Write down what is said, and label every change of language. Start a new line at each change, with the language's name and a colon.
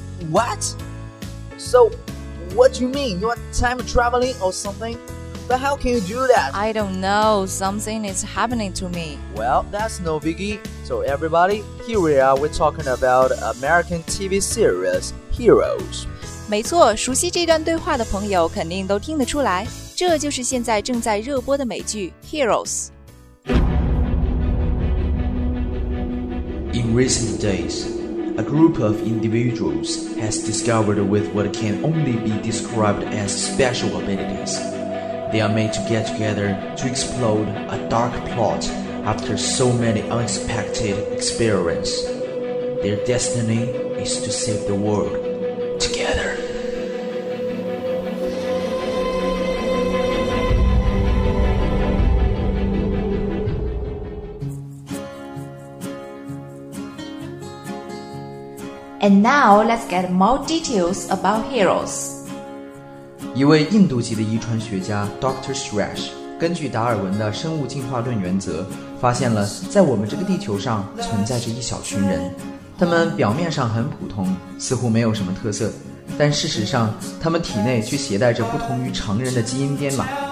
English: What? So, what do you mean? You are time traveling or something? But how can you do that? I don't know, something is happening to me. Well, that's no biggie. So everybody, here we are, we're talking about American TV series, Heroes.
Chinese: 没错，熟悉这段对话的朋友肯定都听得出来，这就是现在正在热播的美剧 Heroes。
English: In recent days, a group of individuals has discovered with what can only be described as special abilities. They are made to get together to explode a dark plot after so many unexpected experiences. Their destiny is to save the world together. And now, let's get more details about Heroes.
Chinese: 一位印度籍的遗传学家 Dr. Suresh 根据达尔文的生物进化论原则，发现了在我们这个地球上存在着一小群人，他们表面上很普通，似乎没有什么特色，但事实上，他们体内却携带着不同于常人的基因编码。